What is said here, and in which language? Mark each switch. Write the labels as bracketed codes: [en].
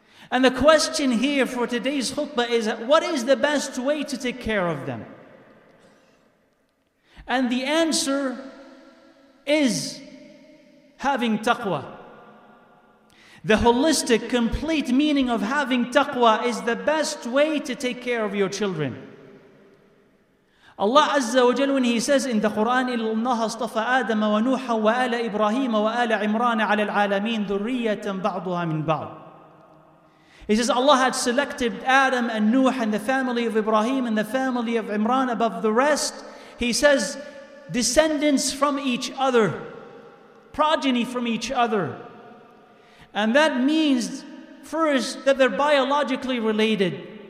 [en] And the question here for today's khutbah is, what is the best way to take care of them? And the answer is having taqwa. The holistic, complete meaning of having taqwa is the best way to take care of your children. Allah Azza wa Jal, when He says in the Quran, [ar] إِنَّهَا اصْطَفَى آدَمَ وَنُوحًا وَآلَ إِبْرَاهِيمَ وَآلَ عِمْرَانَ عَلَى الْعَالَمِينَ ذُرِّيَّةً بَعْضُهَا مِنْ بَعْضٍ. [en] He says Allah had selected Adam and Nuh and the family of Ibrahim and the family of Imran above the rest. He says, descendants from each other, progeny from each other. And that means, first, that they're biologically related.